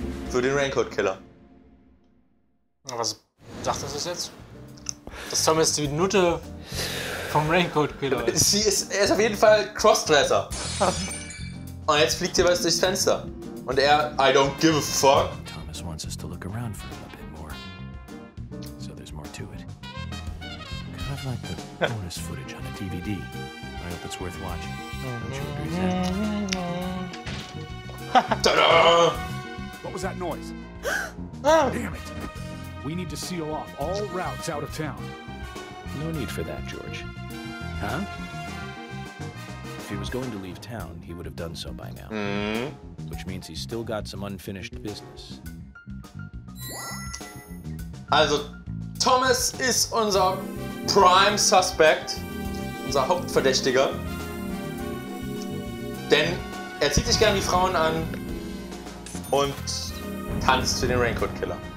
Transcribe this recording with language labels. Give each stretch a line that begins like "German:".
German: Für den Raincoat Killer. Was sagt das jetzt? Dass Thomas die Nutte vom Raincoat Killer ist. Sie ist, er ist auf jeden Fall Crossdresser. Und jetzt fliegt hier was durchs Fenster. Und er,
English: I don't give a fuck. Thomas wants us to look around for him a bit more. So there's more to it. Kind of like the bonus footage on a DVD. I hope it's worth watching. Don't you agree with that? Ta-da! What was that noise? Damn it. We need to seal off all routes out of town. No need for that, George. Huh? If he was going to leave town, he would have done so by now. Mm-hmm. Which means he's still got some unfinished business.
German: Also, Thomas ist unser Prime Suspect, unser Hauptverdächtiger. Denn er zieht sich gern die Frauen an und tanzt für den Raincoat Killer.